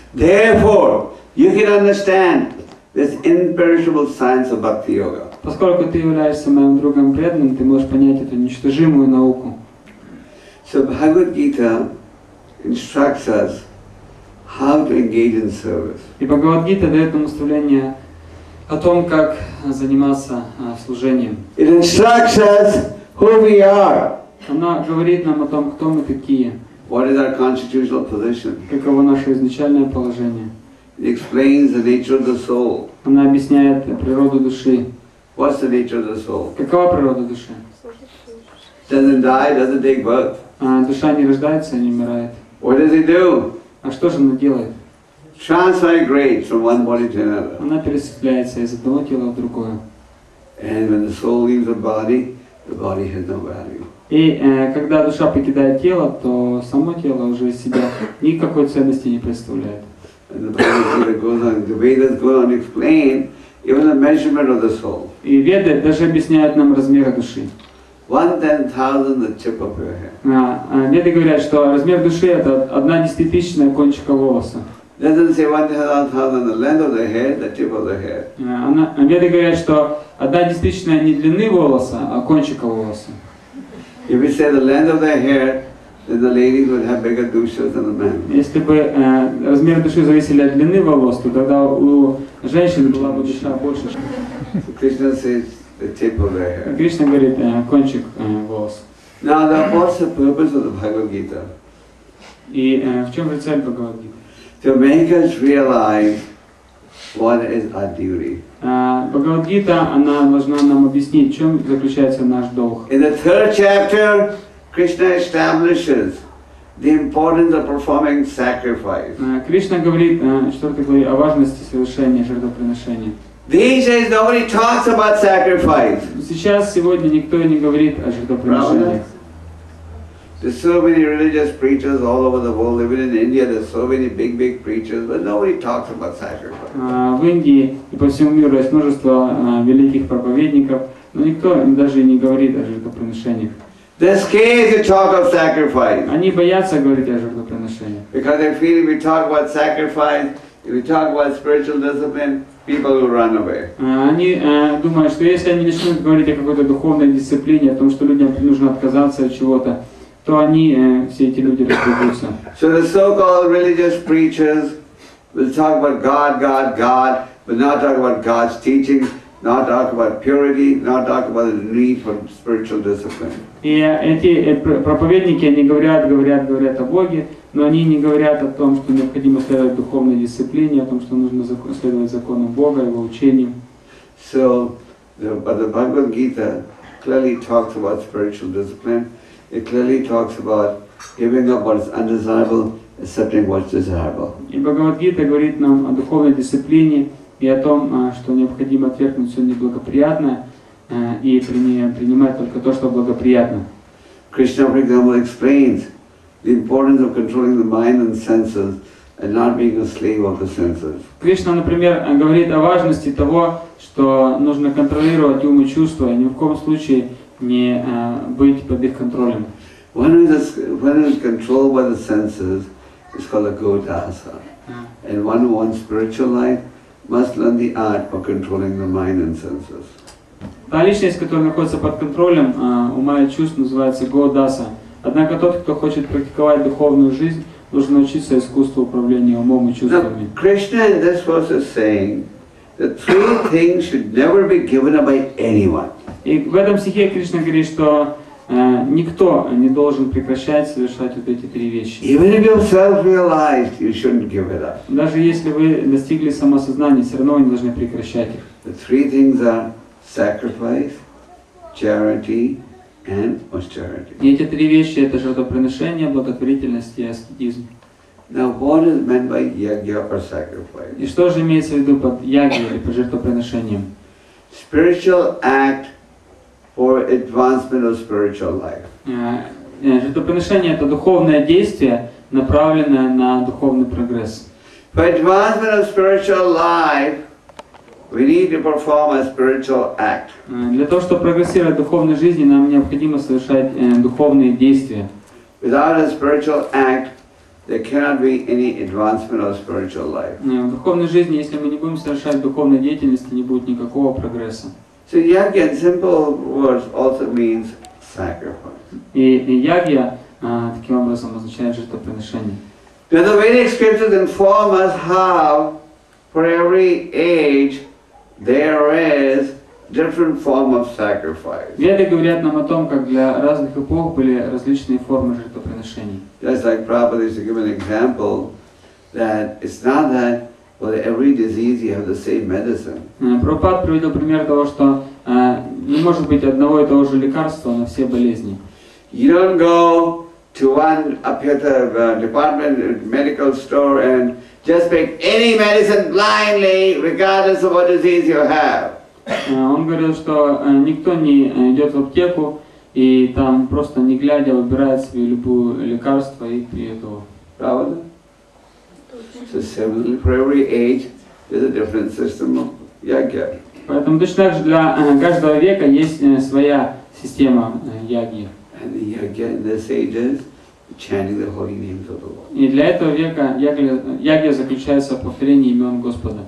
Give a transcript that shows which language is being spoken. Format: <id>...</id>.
<en>Therefore, you can understand this imperishable science of Bhakti Yoga.</en> <ru>Поскольку ты являешься моим другом преданным, ты можешь понять эту ничтожимую науку.</ru> <en>So Bhagavad Gita instructs us how to engage in service.</en> <ru>И Бхагавад-гита дает нам наставление о том, как заниматься служением.</ru> <en>It instructs us who we are.</en> <ru>Она говорит нам о том, кто мы такие.</ru> <en>What is our constitutional position?</en> <ru>Каково наше изначальное положение?</ru> <en>It explains the nature of the soul.</en> <ru>Она объясняет природу души.</ru> <en>What's the nature of the soul?</en> <ru>Какова природа души?</ru> <en>Doesn't die, doesn't take birth.</en> <ru>Душа не рождается, не умирает.</ru> <en>What does it do?</en> <ru>А что же она делает?</ru> <en>Transmigrates from one body to another.</en> <ru>Она пересекается из одного тела в другое.</ru> <en>And when the soul leaves the body has no value.</en> <ru>И когда душа покидает тело, то само тело уже из себя никакой ценности не представляет.</ru> <en>And the Bhagavad Gita goes on, the Vedas go on explain even the measurement of the soul.</en> <ru>И Веды даже объясняют нам размеры души.</ru> <en>1/10,000 the tip of your hair.</en> <ru>Веды говорят, что размер души это 1/10,000 кончика волоса.</ru> <en>Doesn't say 1/10,000 the length of the hair, the tip of the hair.</en> <ru>Веды говорят, что 1/10,000 не длины волоса, а кончика волоса.</ru> <en>If we say the length of the hair, then the ladies would have bigger dushas than the men.</en> <ru>Если бы размер души зависели от длины волос, то тогда у женщин была бы душа больше.</ru> <en>So Krishna says. The tip of the hair.</en> <ru>Кришна говорит, кончик волос.</ru> <en>Now the whole purpose of the Bhagavad Gita.</en> <ru>И в чем же цель Бхагавад Гиты?</ru> <en>To make us realize what is our duty.</en> <ru>Бхагавад Гита, она должна нам объяснить, в чем заключается наш долг.</ru> <en>In the 3rd chapter, Krishna establishes the importance of performing sacrifice.</en> <ru>Кришна говорит, что такое о важности совершения жертвоприношения.</ru> <en>These days nobody talks about sacrifice.</en> <ru>Сейчас сегодня никто не говорит о жертвоприношении.</ru> <en>There's so many religious preachers all over the world. Even in India, there's so many big preachers, but nobody talks about sacrifice.</en> <ru>В Индии и по всему миру есть множество великих проповедников, но никто даже не говорит о жертвоприношениях.</ru> <en>They're scared to talk of sacrifice.</en> <ru>Они боятся говорить о жертвоприношениях.</ru> <en>Because they feel if we talk about sacrifice, if we talk about spiritual discipline, people will run away.</en> <ru>Они думают, что если они начнут говорить о какой-то духовной дисциплине, о том, что людям нужно отказаться от чего-то, то они, все эти люди, разбегутся.</ru> <en>So the so-called religious preachers will talk about God, God, God, but not talk about God's teachings, not talk about purity, not talk about the need for spiritual discipline.</en> <ru>И эти проповедники, они говорят о Боге, но они не говорят о том, что необходимо следовать духовной дисциплине, о том, что нужно следовать закону Бога, Его учениям.</ru> <en>So, but the Bhagavad Gita clearly talks about spiritual discipline. It clearly talks about giving up what is undesirable, accepting what is desirable.</en> <ru>И Бхагавад Гита говорит нам о духовной дисциплине и о том, что необходимо отвергнуть все неблагоприятное и принимать только то, что благоприятно.</ru> <en>Krishna, for example, explains the importance of controlling the mind and senses and not being a slave of the senses.</en> <ru>Кришна, например, говорит о важности того, что нужно контролировать ум и чувства и ни в коем случае не быть под их контролем.</ru> <en>When it is controlled by the senses, it's called a godasa. And one who wants spiritual life must learn the art of controlling the mind and senses.</en> <ru>Та личность, которая находится под контролем ума и чувств, называется годаса. Однако тот, кто хочет практиковать духовную жизнь, должен научиться искусству управления умом и чувствами.</ru> <en>Now, Krishna in this verse is saying that three things should never be given up by anyone.</en> <ru>И в этом стихе Кришна говорит, что никто не должен прекращать совершать вот эти три вещи.</ru> <en>Even if you're self-realized, you shouldn't give it up.</en> <ru>Даже если вы достигли самосознания, все равно вы не должны прекращать их.</ru> <en>The three things are sacrifice, charity, and austerity.</en> <ru>И эти три вещи — это жертвоприношение, благотворительность и аскетизм.</ru> <en>Now, what is meant by yagya or sacrifice?</en> <ru>И что же имеется в виду под ягья или под жертвоприношением?</ru> <en>Spiritual act for advancement of spiritual life.</en> <ru>Жертвоприношение — это духовное действие, направленное на духовный прогресс.</ru> <en>For advancement of spiritual life, we need to perform a spiritual act.</en> <ru>Для того, чтобы прогрессировать в духовной жизни, нам необходимо совершать духовные действия.</ru> <en>Without a spiritual act, there cannot be any advancement of spiritual life.</en> <ru>В духовной жизни, если мы не будем совершать духовной деятельности, не будет никакого прогресса.</ru> <en>So yagya, in simple words, also means sacrifice.</en> <ru>И ягья таким образом означает жертвоприношение.</ru> <en>Now the Vedic scriptures inform us how, for every age, there is different form of sacrifice.</en> <ru>Веды говорят нам о том, как для разных эпох были различные формы жертвоприношений.</ru> <en>Just like Prabhupada used to give an example that it's not that for every disease you have the same medicine.</en> <ru>Прабхупад приводил пример того, что не может быть одного и того же лекарства на все болезни.</ru> <en>You don't go to one apotheker department medical store and just pick any medicine blindly, regardless of what disease you have.</en> <ru>Он говорил, что никто не идет в аптеку и там просто не глядя выбирает себе любое лекарство и при этого. Правда?</ru> <en>So similarly, for every age, there's a different system of yagya.</en> <ru>Поэтому точно так же для каждого века есть своя система ягья.</ru> <en>And the yagya in this age is chanting the holy names of the Lord.</en> <ru>И для этого века ягья заключается в повторении имен Господа.</ru>